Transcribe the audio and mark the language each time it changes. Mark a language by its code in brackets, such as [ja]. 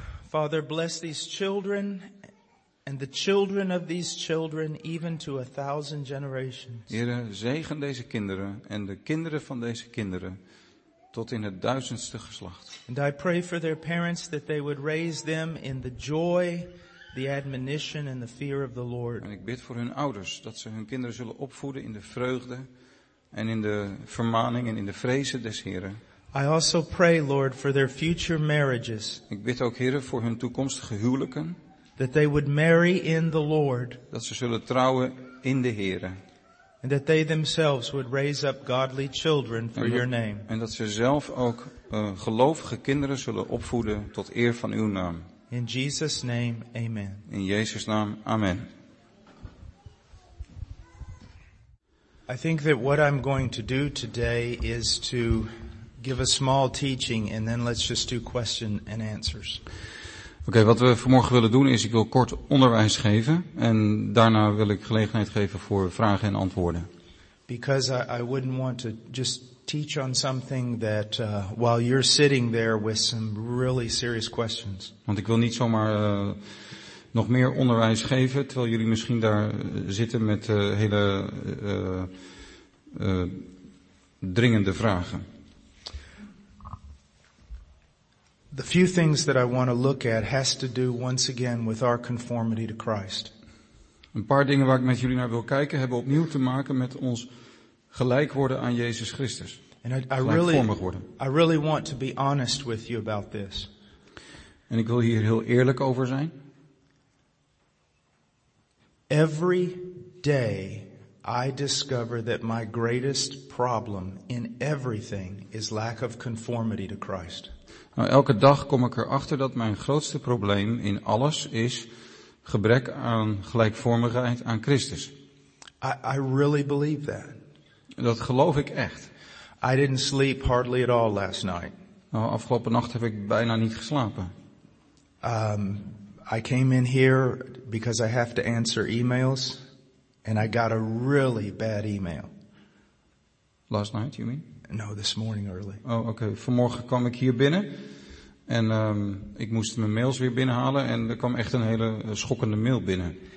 [en] Father, bless these children and the children of these children even to 1,000 generations. [nl] Heere, zegen deze kinderen en de kinderen van deze kinderen tot in het duizendste geslacht. [en] And I pray for their parents that they would raise them in the joy, the admonition and the fear of the Lord. [nl] En ik bid voor hun ouders dat ze hun kinderen zullen opvoeden in de vreugde en in de vermaning en in de vrezen des Heren. [en] I also pray, Lord, for their future marriages. [nl] Ik bid ook, Heere, voor hun toekomstige huwelijken. [en] That they would marry in the Lord. [nl] Dat ze zullen trouwen in de Heere. [en] And that they themselves would raise up godly children for your name. [nl] En dat ze zelf ook gelovige kinderen zullen opvoeden tot eer van uw naam. [en] In Jesus' name, amen. [nl] In Jezus' naam, amen. [en] I think that what I'm going to do today is to give a small teaching and then let's just do question and answers. [nl] Oké, wat we vanmorgen willen doen is, ik wil kort onderwijs geven en daarna wil ik gelegenheid geven voor vragen en antwoorden. [en] Because I wouldn't want to just teach on something that while you're sitting there with some really serious questions. [nl] Want ik wil niet zomaar nog meer onderwijs geven terwijl jullie misschien daar zitten met hele dringende vragen. [en] The few things that I want to look at has to do once again with our conformity to Christ. [nl] Een paar dingen waar ik met jullie naar wil kijken hebben opnieuw te maken met ons gelijk worden aan Jezus Christus. [en] And I really want to be honest with you about this. [nl] En ik wil hier heel eerlijk over zijn. [en] Every day I discover that my greatest problem in everything is lack of conformity to Christ. [nl] Nou, elke dag kom ik erachter dat mijn grootste probleem in alles is gebrek aan gelijkvormigheid aan Christus. [en] I really believe that. [nl] Dat geloof ik echt. [en] I didn't sleep hardly at all last night. [nl] Nou, afgelopen nacht heb ik bijna niet geslapen. [en] I came in here because I have to answer emails and I got a really bad email. Last night, you mean? No, this morning early. [nl] Oh, oké. Okay. Vanmorgen kwam ik hier binnen en ik moest mijn mails weer binnenhalen en er kwam echt een hele schokkende mail binnen.